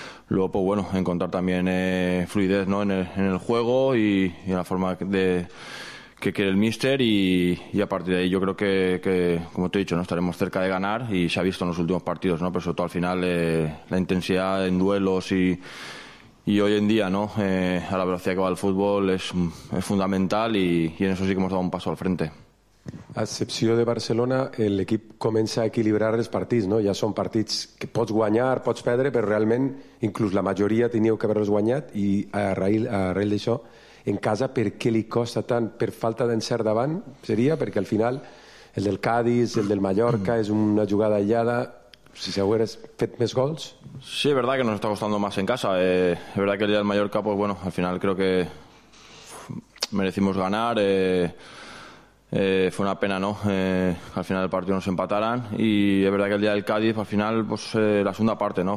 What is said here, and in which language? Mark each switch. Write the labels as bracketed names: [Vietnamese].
[Spanish] Luego, pues bueno, encontrar también fluidez, ¿no? en el juego y en la forma que quiere el míster y a partir de ahí yo creo que como te he dicho, ¿no? Estaremos cerca de ganar y se ha visto en los últimos partidos, ¿no? Pero sobre todo al final la intensidad en duelos y hoy en día, ¿no? A la velocidad que va el fútbol es fundamental y en eso sí que hemos dado un paso al frente. [Catalan] A excepció de Barcelona, l'equip comença a equilibrar els partits, no? Ja són partits que pots guanyar, pots perdre, però realment, inclús la majoria teníeu que haver-los guanyat i arrel d'això, en casa, per què li costa tant? Per falta d'encert davant? Seria perquè al final el del Cádiz, el del Mallorca, és una jugada aïllada. Si s'hagués fet més gols? [Spanish] Sí, és verdad que nos está costando más en casa. Es verdad que el del Mallorca, pues bueno, al final creo que merecimos ganar. Fue una pena, ¿no? Al final del partido nos empataran y es verdad que el día del Cádiz, al final, pues la segunda parte, ¿no?